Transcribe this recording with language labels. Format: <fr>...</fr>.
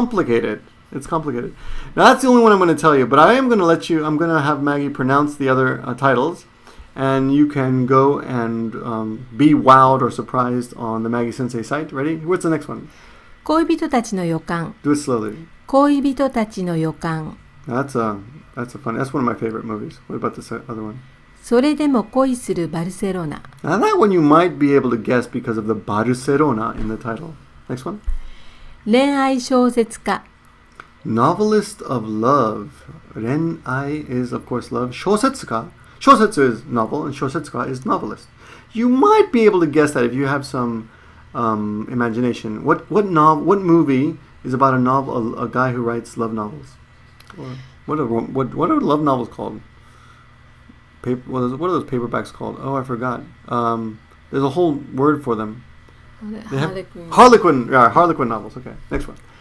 <en>It's complicated. Now, that's the only one I'm going to tell you, but I am going to let you, I'm going to have Maggie pronounce the other titles, and you can go and be wowed or surprised on the Maggie Sensei site. Ready? What's the next one?</en> <ja>恋人たちの予感.</ja> <en>Do it slowly.</en> <ja>恋人たちの予感.</ja> <en>That's a funny, that's one of my favorite movies. What about this other one?</en> <ja>それでも恋するバルセロナ.</ja> <en>Now, that one you might be able to guess because of the バルセロナ in the title. Next one?</en> <ja>恋愛小説家</ja> <en>Novelist of love 恋愛 is of course love 小説家小説 is novel and 小説家 is novelist You might be able to guess that if you have some imagination What movie is about a guy who writes love novels What are love novels called What are those paperbacks called Oh I forgot There's a whole word for themHarlequin novels. Okay, next one.</en>